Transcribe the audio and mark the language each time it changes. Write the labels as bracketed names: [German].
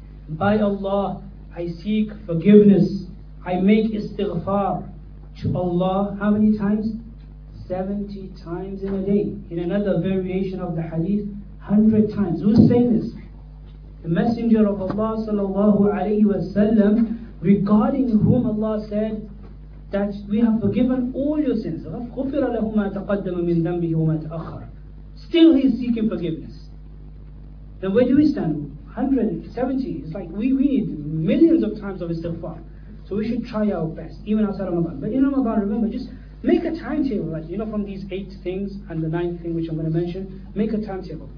[English] By Allah, I seek forgiveness. I make istighfar to Allah. How many times? 70 times in a day. In another variation of the hadith, 100 times. Who's saying this? The Messenger of Allah sallallahu alayhi wa sallam, regarding whom Allah said, that we have forgiven all your sins. [Arabic] غفر له ما تقدم من ذنبه وما تأخر. [English] Still he is seeking forgiveness. Then where do we stand? 170. It's like we need millions of times of istighfar. So we should try our best, even outside of Ramadan. But in Ramadan, remember, just make a timetable. Like, you know, from these eight things and the ninth thing which I'm going to mention, make a timetable.